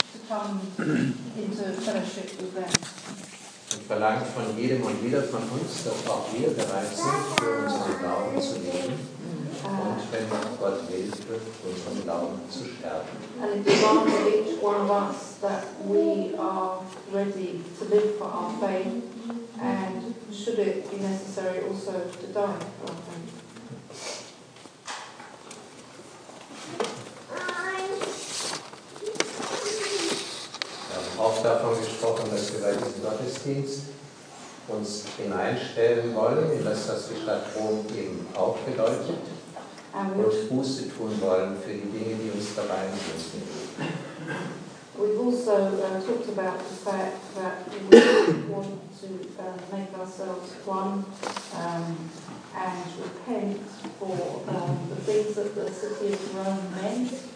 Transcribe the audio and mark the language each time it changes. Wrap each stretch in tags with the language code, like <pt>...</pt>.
<de>und verlangt von jedem und jeder von uns, dass auch wir bereit sind, für unseren Glauben zu leben und, wenn nach Gott will, für unseren Glauben zu sterben.</de> <en>And it demands of each one of us that we are ready to live for our faith and should it be necessary also to die for our faith.</en> <de>Auch davon gesprochen, dass wir bei diesem Gottesdienst uns hineinstellen wollen, in das, was die Stadt Rom eben auch bedeutet, und Buße tun wollen für die Dinge, die uns dabei müssen.</de> <en>We've also talked about the fact that we want to make ourselves one and repent for the things that the city of Rome meant.</en>